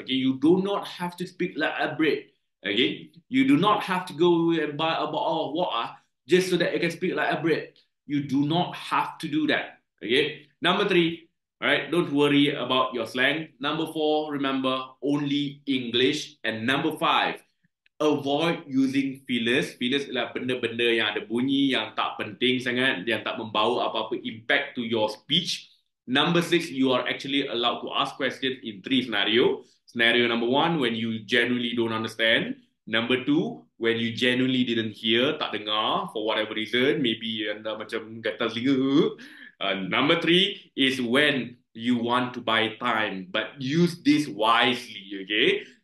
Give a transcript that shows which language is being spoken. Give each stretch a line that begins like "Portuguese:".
English: Okay, you do not have to speak like a Brit. Okay, you do not have to go and buy a bottle of water just so that you can speak like a Brit. You do not have to do that. Okay, number three, all right, don't worry about your slang. Number four, remember only English. And number five, avoid using fillers.
Malay: Fillers ialah benda-benda yang ada bunyi yang tak penting sangat, yang tak membawa apa-apa
English: impact to your speech. Number six, you are actually allowed to ask questions in three scenarios. Scenario number one, when you genuinely don't understand. Number two, when you genuinely didn't hear,
Malay: tak dengar
English: for whatever reason, maybe
Malay: anda macam gatal telinga.
English: Number three is when you want to buy time, but use this wisely, okay?